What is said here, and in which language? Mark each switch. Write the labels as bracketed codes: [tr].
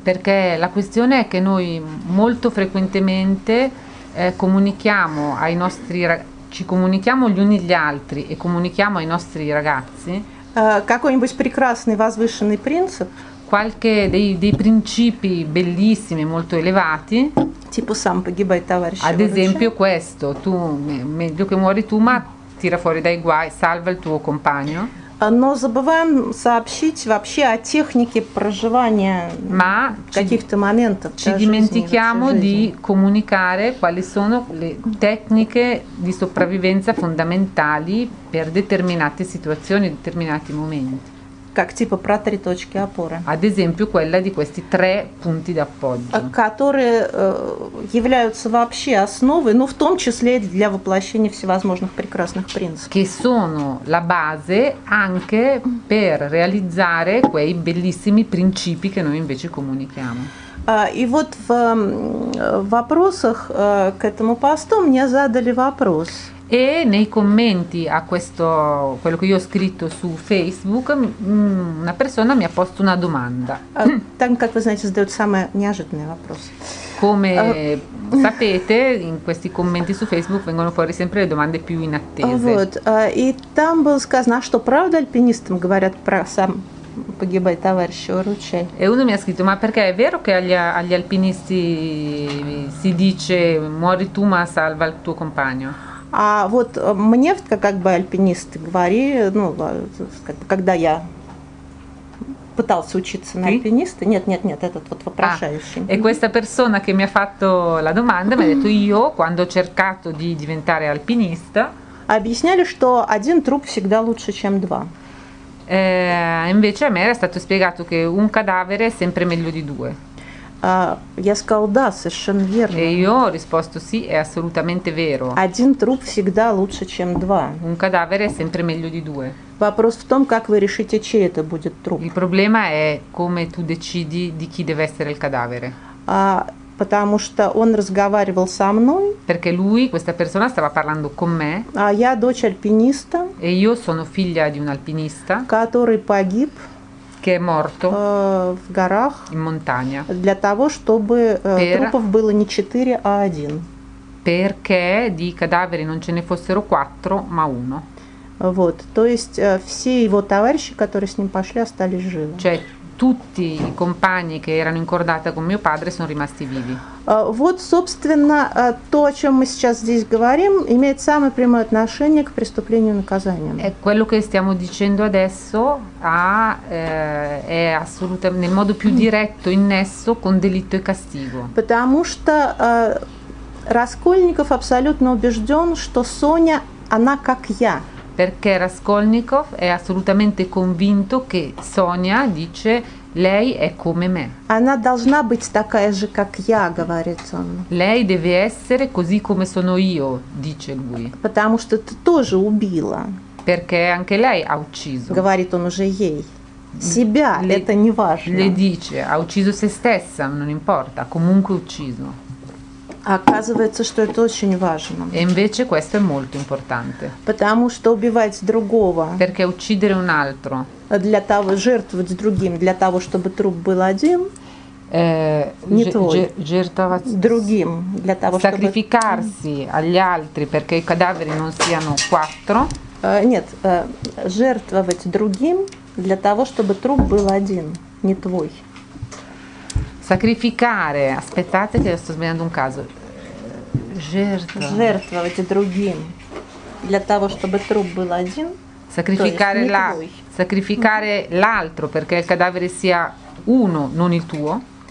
[it] Perché la questione è che noi molto frequentemente comunichiamo ai nostri ci comunichiamo gli uni gli altri e comunichiamo ai nostri ragazzi. [ru] Какой-нибудь прекрасный возвышенный принцип. [it] Qualche dei principi bellissimi, molto elevati. Tipo [ru] sam погибай, товарищ. [it] Ad esempio questo, tu meglio che muori tu, ma tira fuori dai guai, salva il tuo compagno. [ru] Но забываем сообщить вообще о технике проживания [it] ma [ru] каких-то моментов. [it] Ci dimentichiamo di comunicare quali sono le tecniche di sopravvivenza fondamentali per determinate situazioni, determinati momenti. [ru] Как типа про три точки опоры. [it] Ad esempio quella di questi tre punti d'appoggio. [ru] Которые являются вообще основой, ну в том числе для воплощения всевозможных прекрасных принципов. [it] Che sono la base anche per realizzare quei bellissimi principi che noi invece comunichiamo. [ru] И вот в вопросах к этому посту мне задали вопрос. [it] E nei commenti a questo quello che io ho scritto su Facebook, una persona mi ha posto una domanda. [ru] Там, как вы знаете, задают самые неожиданные вопросы. [it] Come sapete, in questi commenti su Facebook vengono fuori sempre le domande più inattese. [ru] Вот. И там было сказано, а что правда альпинистам говорят про сам погибай, товарищ, выручай. [it] E uno mi ha scritto, ma perché è vero che agli alpinisti si dice muori tu ma salva il tuo compagno? [ru] А вот мне, как бы альпинисты говорили, ну, когда я пытался учиться на альпиниста, нет, этот вот вопрошающий. И [it] questa persona che mi ha fatto la domanda mi ha detto io quando ho cercato di diventare alpinista. [ru] Объясняли, что один труп всегда лучше, чем два. [it] Invece a me era stato spiegato che un cadavere è sempre meglio di due. [ru] Я сказал, да, совершенно верно. [it] E io ho risposto sì, è assolutamente vero. [ru] Один труп всегда лучше, чем два. [it] Un cadavere è sempre meglio di due. [ru] Вопрос в том, как вы решите, чей это будет труп. [it] Il problema è come tu decidi di chi deve essere il cadavere. [ru] Потому что он разговаривал со мной. [it] Perché lui, questa persona, stava parlando con me. [ru] А я дочь альпиниста. [it] E io sono figlia di un alpinista. [ru] Который погиб. [it] Che è morto [ru] в горах, [it] in montagna, [ru] для того, чтобы трупов было не 4, а 1. [it] Perché di cadaveri non ce ne fossero 4, ma 1. [ru] Вот, то есть все его товарищи, которые с ним пошли, остались живы. [it] Cioè, tutti i compagni che erano in cordata con mio padre sono rimasti vivi. [ru] Вот, собственно, то, о чем мы сейчас здесь говорим, имеет самое прямое отношение к преступлению и наказанию. [it] E quello che stiamo dicendo adesso ha è assolutamente nel modo più diretto in nesso con delitto e castigo. [ru] Потому что Раскольников абсолютно убежден, что Соня, она как я. [it] Perché Raskolnikov è assolutamente convinto che Sonia dice lei è come me. [ru] Она должна быть такая же, как я, говорит он. [it] Lei deve essere così come sono io, dice lui. [ru] Потому что ты тоже убила. [it] Perché anche lei ha ucciso. [ru] Говорит он уже ей. Себя, [it] le, [ru] это не важно. [it] Le dice, ha ucciso se stessa, non importa, comunque ucciso. [ru] Оказывается, что это очень важно. [it] E invece questo è molto importante. [ru] Потому что убивать другого. [it] Perché uccidere un altro. [ru] Для того, жертвовать другим, для того, чтобы труп был один. Не твой. Жертвовать другим, для того, чтобы... [it] Sacrificarsi agli altri, perché i cadaveri non siano quattro. [ru] Нет, жертвовать другим, для того, чтобы труп был один, не твой. [it] Sacrificare, aspettate che sto sbagliando un caso. [ru] Жертвовать другим для того, чтобы труп был один. [it] Sacrificare la, sacrificare l'altro perché il cadavere sia uno, non il tuo.